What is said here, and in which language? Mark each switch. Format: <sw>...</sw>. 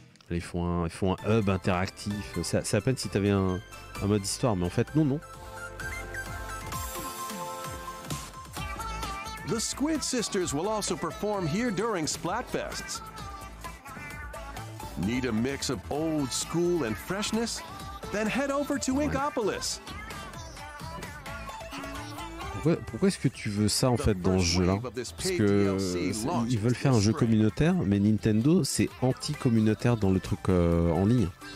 <fr>Ils font un hub interactif. C'est à peine si t'avais un mode histoire, mais en fait, non.</fr> <en>The Squid Sisters will also perform here during Splatfests. Need a mix of old school and freshness? then head over to Inkopolis.</en> <fr>Pourquoi est-ce que tu veux ça en fait dans ce jeu-là? Parce que ils veulent faire un jeu communautaire, mais Nintendo c'est anti-communautaire dans le truc en ligne.</fr>